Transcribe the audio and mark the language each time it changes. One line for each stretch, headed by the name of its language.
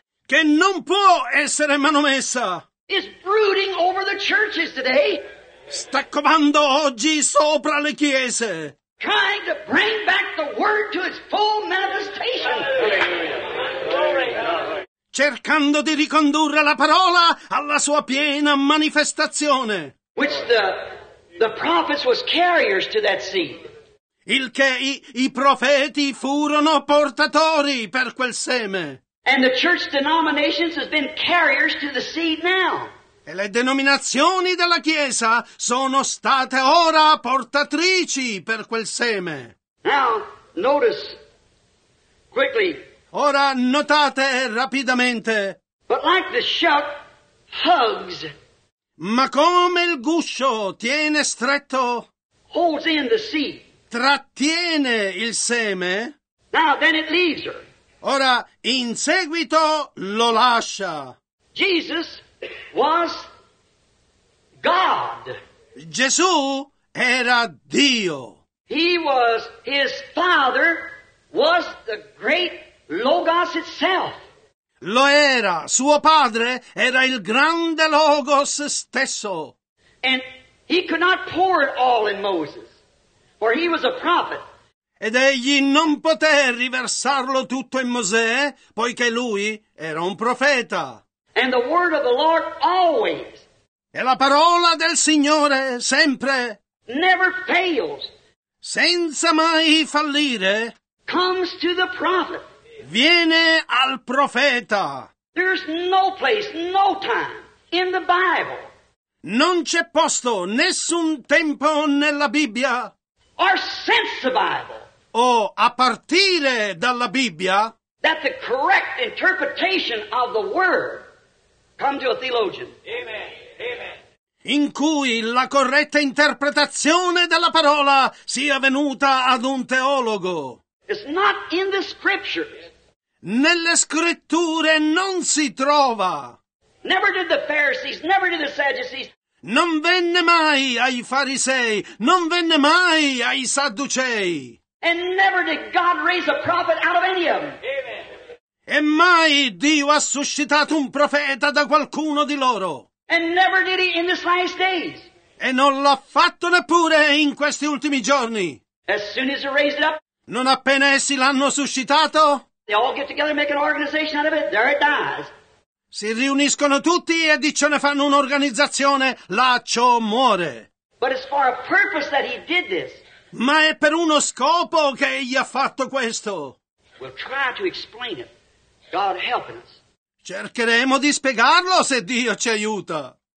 Italian: Che non può essere manomessa.
English: Is brooding over the churches today.
Italian: Sta covando oggi sopra le chiese.
English: Trying to bring back the word to its full manifestation.
Italian: Cercando di ricondurre la parola alla sua piena manifestazione.
English: Which the prophets was carriers to that seed.
Italian: Il che i profeti furono portatori per quel seme.
English: And the church denominations has been carriers to the seed now.
Italian: E le denominazioni della Chiesa sono state ora portatrici per quel seme.
English: Now, notice, quickly.
Italian: Ora notate rapidamente.
English: But like the shuck hugs.
Italian: Ma come il guscio tiene stretto.
English: Holds in the seed.
Italian: Trattiene il seme.
English: Now, then it leaves her.
Italian: Ora, in seguito, lo lascia.
English: Jesus was God.
Italian: Gesù era Dio.
English: He was, his father was the great Logos itself.
Italian: Lo era, suo padre era il grande Logos stesso.
English: And he could not pour it all in Moses, for he was a prophet.
Italian: Ed egli non poté riversarlo tutto in Mosè, poiché lui era un profeta.
English: And the word of the Lord always.
Italian: E la parola del Signore sempre.
English: Never fails.
Italian: Senza mai fallire.
English: Comes to the prophet.
Italian: Viene al profeta.
English: There's no place, no time in the Bible.
Italian: Non c'è posto, nessun tempo nella Bibbia.
English: Or since the Bible.
Italian: O a partire dalla Bibbia.
English: That the correct interpretation of the word come to a theologian. Amen. Amen.
Italian: In cui la corretta interpretazione della parola sia venuta ad un teologo.
English: It's not in the scriptures.
Italian: Nelle scritture non si trova.
English: Never did the Pharisees, never did the Sadducees.
Italian: Non venne mai ai farisei, non venne mai ai sadducei.
English: And never did God raise a prophet out of any of them.
Italian: E mai Dio ha suscitato un profeta da qualcuno di loro.
English: And never did he in this last days.
Italian: E non l'ha fatto neppure in questi ultimi giorni.
English: As soon as he raised it up.
Italian: Non appena essi l'hanno suscitato.
English: They all get together and make an organization out of it. There it dies.
Italian: Si riuniscono tutti e dice ne fanno un'organizzazione. Là ciò muore.
English: But it's for a purpose that he did this.
Italian: Ma è per uno scopo che egli ha fatto questo.
English: We'll try to explain it. God helping us.
Italian: Cercheremo di spiegarlo se Dio ci aiuta.